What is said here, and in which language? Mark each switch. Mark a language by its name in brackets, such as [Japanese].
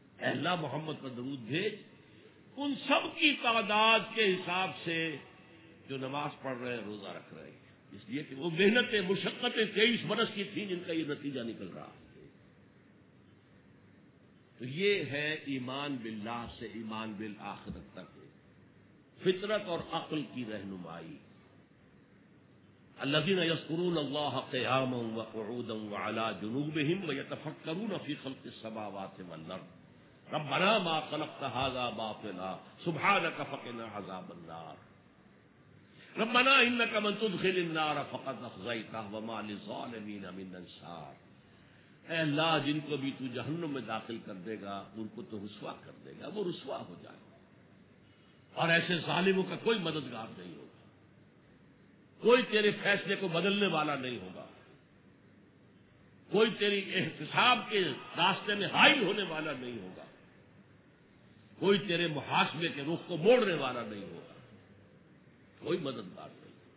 [Urdu] اللہ محمد پر درود بھیج ان سب کی تعداد کے حساب سے جو نماز پڑھ رہے ہیں، روزہ رکھ رہے ہیں. اس لیے کہ وہ محنتیں مشقتیں 23 برس کی تھیں جن کا یہ نتیجہ نکل رہا ہے. تو یہ ہے ایمان باللہ سے ایمان بالآخرت تک فطرت اور عقل کی رہنمائی. [Arabic] الذین یذکرون اللہ قیاما وقعودا وعلى جنوبهم ویتفکرون فی خلق السماوات والارض ربنا ما خلقت هذا باطلا سبحانك فقنا عذاب النار ربنا انك من تدخل النار فقد اخزيته وما للظالمين من انصار. [Urdu] اے اللہ، جن کو بھی تو جہنم میں داخل کر دے گا ان کو تو رسوا کر دے گا، وہ رسوا ہو جائے، اور ایسے ظالموں کا کوئی مددگار نہیں ہوگا، کوئی تیرے فیصلے کو بدلنے والا نہیں ہوگا، کوئی تیری احتساب کے راستے میں حائل ہونے والا نہیں ہوگا، کوئی تیرے محاسبے کے رخ کو موڑنے والا نہیں ہوگا، کوئی مددگار نہیں.